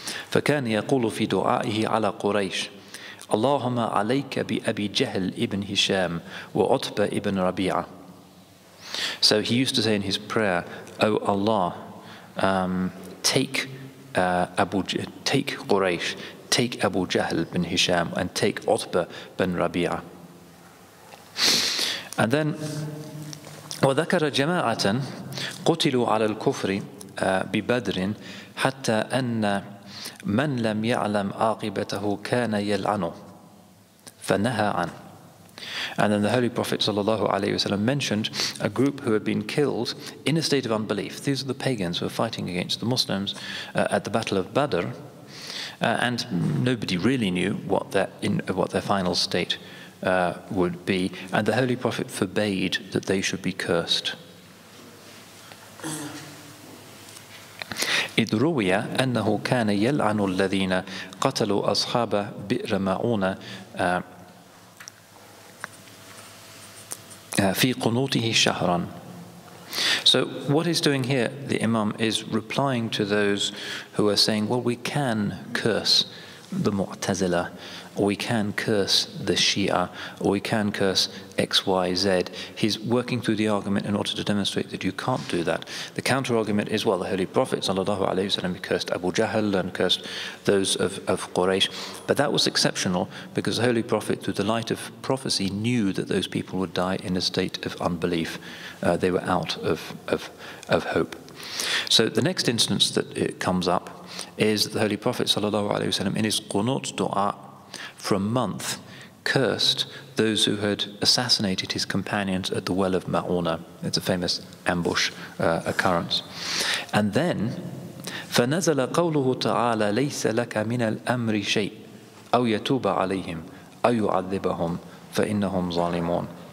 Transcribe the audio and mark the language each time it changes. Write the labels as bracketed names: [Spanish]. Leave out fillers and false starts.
[Arabic] فَكَانَ يَقُولُ فِي دُعَائِهِ عَلَى قُرَيْشِ اللَّهُمَّ عَلَيْكَ بِأَبِي جَهْلِ إِبْنِ هِشَامِ وَعُتْبَ إِبْنِ رَبِيعَ. [English] So he used to say in his prayer, O Allah, take Quraysh, take Abu Jahl bin Hisham, and take Utbah bin Rabi'a. And then, [Arabic] وَذَكَرَ جَمَاعَةً قُتِلُوا عَلَى الْكُفْرِ بِبَدْرٍ حَتَّى أَنَّ مَنْ لَمْ يَعْلَمْ عَاقِبَتَهُ كَانَ يَلْعَنُ فَنَهَا عَنْ. [English] And then the Holy Prophet ﷺ mentioned a group who had been killed in a state of unbelief. These are the pagans who were fighting against the Muslims at the Battle of Badr, and nobody really knew what their final state would be. And the Holy Prophet forbade that they should be cursed. [Arabic] إذ روي أنه كان يلعن الذين قتلوا أصحاب بئر معونة في قنوته شهرا. [English] So what he's doing here, the Imam, is replying to those who are saying, well, we can curse the Mu'tazila, or we can curse the Shia, or we can curse X, Y, Z. He's working through the argument in order to demonstrate that you can't do that. The counter-argument is, well, the Holy Prophet sallallahu alayhi wa sallam cursed Abu Jahl and cursed those of Quraysh. But that was exceptional because the Holy Prophet, through the light of prophecy, knew that those people would die in a state of unbelief. They were out of hope. So the next instance that it comes up is the Holy Prophet sallallahu alayhi wa sallam, in his Qunut dua, for a month, cursed those who had assassinated his companions at the well of Ma'una. It's a famous ambush occurrence. And then, [Arabic] فَنَزَلَ قَوْلُهُ تَعَالَى لَيْسَ لَكَ مِنَ الْأَمْرِ شَيْءٍ أَوْ يَتُوبَ عَلَيْهِمْ أَوْ يُعَذِّبَهُمْ فَإِنَّهُمْ ظَالِمُونَ.